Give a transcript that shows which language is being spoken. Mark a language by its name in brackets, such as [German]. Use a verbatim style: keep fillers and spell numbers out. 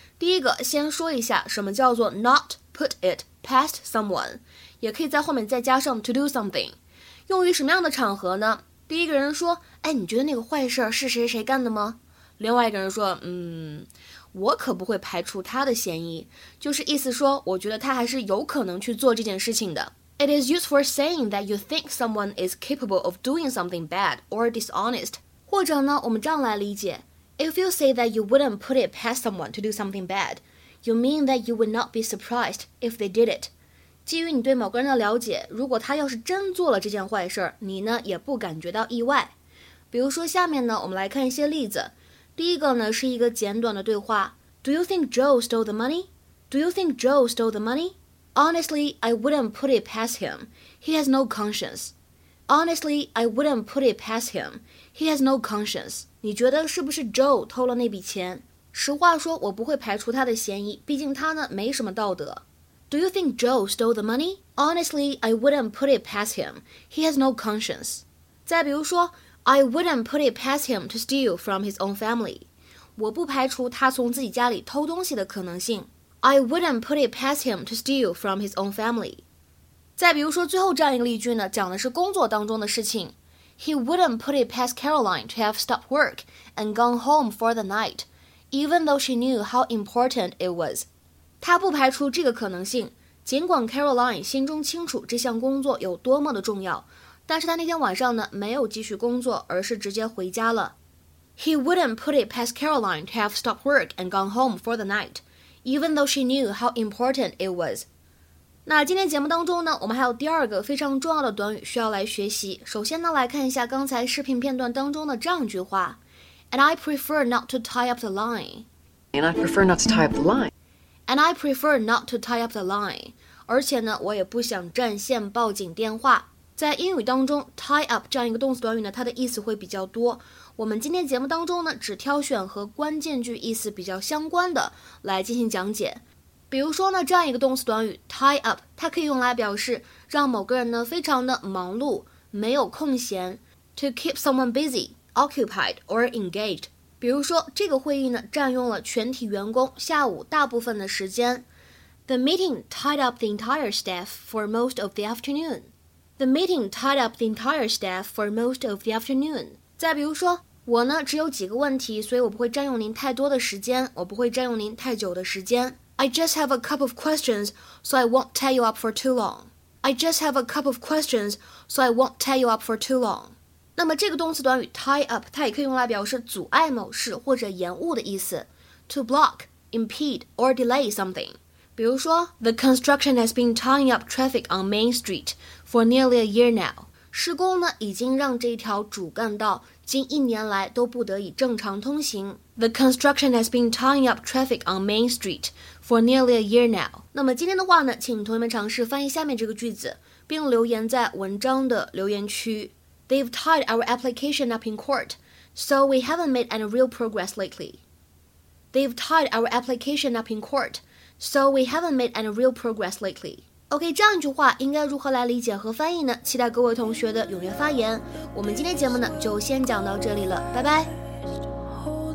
[Chinese] 第一个先说一下什么叫做 [English] not put it past someone， [Chinese] 也可以在后面再加上 [English] to do something， [Chinese] 用于什么样的场合呢？第一个人说，哎，你觉得那个坏事是谁谁干的吗？另外一个人说，嗯，我可不会排除他的嫌疑，就是意思说，我觉得他还是有可能去做这件事情的。 [English] It is used for saying that you think someone is capable of doing something bad or dishonest。 [Chinese] 或者呢，我们这样来理解 [English] ，If you say that you wouldn't put it past someone to do something bad, you mean that you would not be surprised if they did it。 [Chinese] 基于你对某个人的了解，如果他要是真做了这件坏事，你呢也不感觉到意外。比如说下面呢，我们来看一些例子。第一个呢是一个简短的对话。 [English] Do you think Joe stole the money? Do you think Joe stole the money? Honestly, I wouldn't put it past him. He has no conscience. Honestly, I wouldn't put it past him. He has no conscience. [Chinese] 你觉得是不是 Joe 偷了那笔钱？实话说，我不会排除他的嫌疑，毕竟他呢没什么道德。 [English] Do you think Joe stole the money? Honestly, I wouldn't put it past him. He has no conscience. [Chinese] 再比如说 [English] I wouldn't put it past him to steal from his own family. [Chinese] 我不排除他从自己家里偷东西的可能性。 [English] I wouldn't put it past him to steal from his own family. [Chinese] 再比如说最后这样一个例句呢，讲的是工作当中的事情。 [English] He wouldn't put it past Caroline to have stopped work and gone home for the night, even though she knew how important it was. [Chinese] 他不排除这个可能性，尽管 Caroline 心中清楚这项工作有多么的重要，但是他那天晚上呢没有继续工作，而是直接回家了。 [English] He wouldn't put it past Caroline to have stopped work and gone home for the night, even though she knew how important it was. [Chinese] 那今天节目当中呢，我们还有第二个非常重要的短语需要来学习。首先呢，来看一下刚才视频片段当中的这样一句话 ： [English] And I prefer not to tie up the line. And I prefer not to tie up the line. And I prefer not to tie up the line. [Chinese] 而且呢，我也不想占线报警电话。在英语当中 tie up 这样一个动词短语呢，它的意思会比较多。我们今天节目当中呢，只挑选和关键句意思比较相关的来进行讲解。比如说呢，这样一个动词短语 tie up， 它可以用来表示让某个人呢非常的忙碌，没有空闲。 [English] To keep someone busy, occupied, or engaged. [Chinese] 比如说，这个会议呢占用了全体员工下午大部分的时间。 [English] The meeting tied up the entire staff for most of the afternoon. The meeting tied up the entire staff for most of the afternoon. [Chinese] 再比如说，我呢只有几个问题，所以我不会占用您太多的时间，我不会占用您太久的时间。 [English] I just have a couple of questions, so I won't tie you up for too long. I just have a couple of questions, so I won't tie you up for too long. [Chinese] 那么这个动词短语 tie up 它也可以用来表示阻碍某事或者延误的意思。 [English] To block, impede, or delay something. [Chinese] 比如说 [English] The construction has been tying up traffic on Main Street for nearly a year now. [Chinese] 施工呢已经让这一条主干道近一年来都不得以正常通行。 [English] The construction has been tying up traffic on Main Street for nearly a year now. [Chinese] 那么今天的话呢，请同学们尝试翻译下面这个句子，并留言在文章的留言区。 [English] They've tied our application up in court, so we haven't made any real progress lately. They've tied our application up in court, so we haven't made any real progress lately. [Chinese] OK， 这样一句话应该如何来理解和翻译呢？期待各位同学的踊跃发言。我们今天节目呢就先讲到这里了，拜拜。